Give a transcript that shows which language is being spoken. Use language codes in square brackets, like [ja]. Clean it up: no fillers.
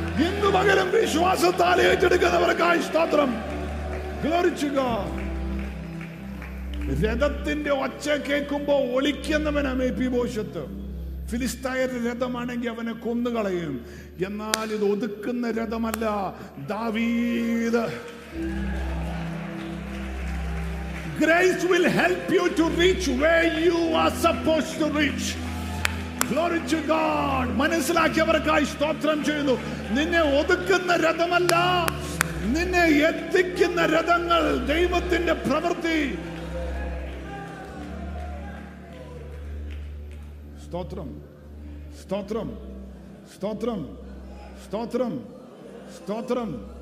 [ml] ഇന്നു പകരം വിശ്വാസത്താൽ ഏറ്റെടുക്കുന്നവർക്കായി സ്തോത്രം. ഗ്ലോറിച്ചുക. രഥത്തിന്റെ ഒച്ച കേൾക്കുമ്പോ ഒളിക്കുന്നവന മേ പി ഭോഷത്ത്. ഫിലിസ്തീൻ രഥമാണെങ്കിൽ അവനെ കൊന്നുകളയും, എന്നാൽ ഇത് ഒതുക്കുന്ന രഥമല്ല ദാവീദ്. [en] Grace will help you to reach where you are supposed to reach. Glory to God. [ml] മനസ്സിലാക്കിയവർക്കായി സ്തോത്രം ചെയ്യുന്നു. നിന്നെ ഒതുക്കുന്ന രഥമല്ല, നിന്നെ എത്തിക്കുന്ന രഥങ്ങൾ ദൈവത്തിന്റെ പ്രവൃത്തി. സ്തോത്രം, സ്തോത്രം, സ്തോത്രം, സ്തോത്രം, സ്തോത്രം.